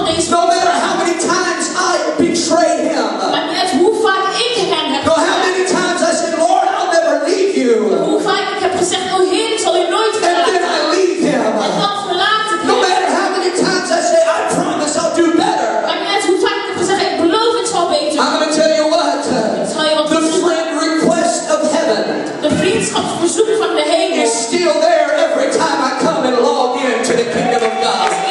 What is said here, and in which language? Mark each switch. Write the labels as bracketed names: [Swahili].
[English] No matter how many times I betray him. [Dutch] Hoe vaak ik hem heb. [English] No, how many times I said, Lord, I'll never leave you. [Dutch] Hoe vaak ik heb gezegd, oh Heer, ik zal u nooit verlaten. [English] And then I leave him. [Dutch] En dan verlaat ik hem. [English] No matter how many times I say, I promise I'll do better. [Dutch] Hoe vaak ik heb gezegd, ik beloof het zal beter. [English] I'm going to tell you what. The friend request of heaven. [Dutch] De vriendschapsverzoek van de hemel. [English] Is still there every time I come and log in to the kingdom of God.